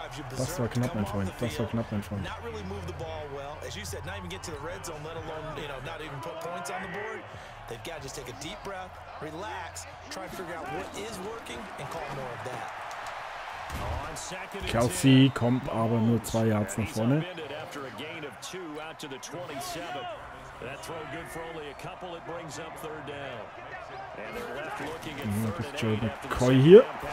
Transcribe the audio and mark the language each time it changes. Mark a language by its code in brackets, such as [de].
[de] Das war knapp, mein Freund. Das war knapp, mein Freund. [en] As you said, not even get to the red zone, let alone, you know, not even put points on the board. They've got to just take a deep breath, relax, try to figure out what is working, and call more of that. [de] Kelsey kommt aber nur 2 Yards nach vorne. [en] After a gain of 2 out to the 27. That throw good for only a couple, it brings up third down. And they're left looking at Joe McCoy here.